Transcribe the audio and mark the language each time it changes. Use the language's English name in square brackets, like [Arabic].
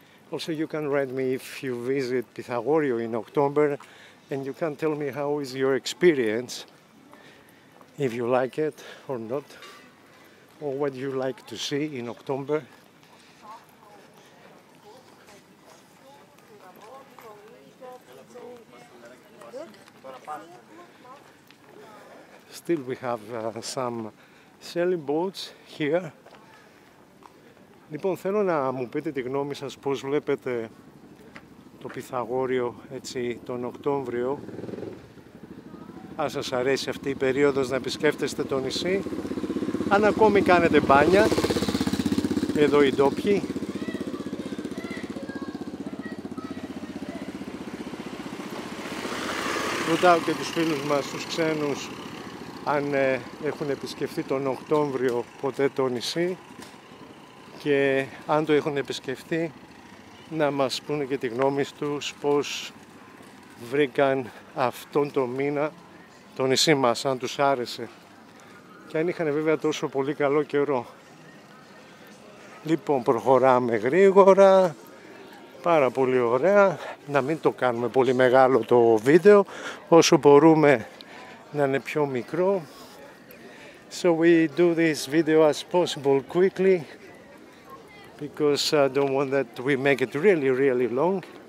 [English] Also, you can write me if you visit Pythagorio in October, and you can tell me how is your experience, if you like it or not, or what you like to see in October. Still we have some sailing boats here. [Greek] Λοιπόν, θέλω να μου πείτε τη γνώμη σας πώς βλέπετε το Πυθαγόριο έτσι τον Οκτώβριο. Αν σας αρέσει αυτή η περίοδος να επισκέφτεστε το νησί. Αν ακόμη κάνετε μπάνια, εδώ οι ντόπιοι. Ρωτάω και τους φίλους μας, τους ξένους, αν έχουν επισκεφθεί τον Οκτώβριο ποτέ το νησί, και αν το έχουν επισκεφθεί να μας πούνε και τη γνώμη τους πως βρήκαν αυτόν τον μήνα το νησί μας, αν τους άρεσε και αν είχαν βέβαια τόσο πολύ καλό καιρό. Λοιπόν, προχωράμε γρήγορα, πάρα πολύ ωραία. Να μην το κάνουμε πολύ μεγάλο το βίντεο, όσο μπορούμε να είναι πιο μικρό. [English] So we do this video as possible quickly, because I don't want that we make it really, really long.